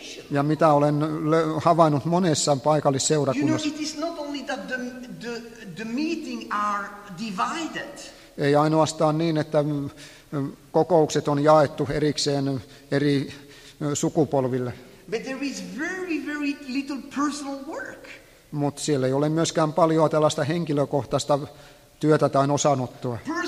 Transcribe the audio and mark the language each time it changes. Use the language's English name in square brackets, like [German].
[Finnish] Ja mitä olen havainnut monessa paikallisseurakunnassa. [English] You know, it is not only that the meeting are divided. [Finnish] Ei ainoastaan niin, että kokoukset on jaettu erikseen eri sukupolville. [English] But there is very, very little personal work. [Finnish] Mut siellä ei ole myöskään paljon tällaista henkilökohtaista työtä tai osanottoa.